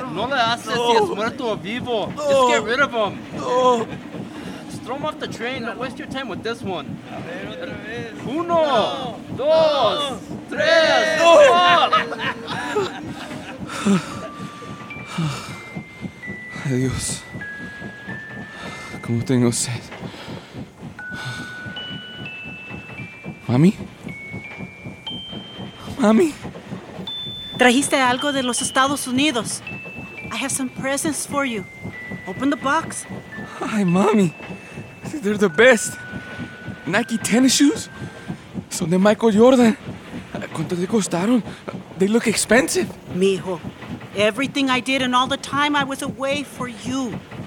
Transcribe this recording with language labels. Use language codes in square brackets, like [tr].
[es] No le haces si es muerto o vivo. [en] Just get rid of them. Just throw them off the train. Don't waste your time with this one. [es] Uno, dos, tres. Adiós. Como tengo sed. ¿Mami? ¿Mami? ¿Trajiste algo de los Estados Unidos? [en] I have some presents for you. Open the box. Ay, mami. They're the best. Nike tennis shoes? [es] Son de Michael Jordan. ¿Cuánto te costaron? [en] They look expensive. Mijo, everything I did and all the time I was away for you.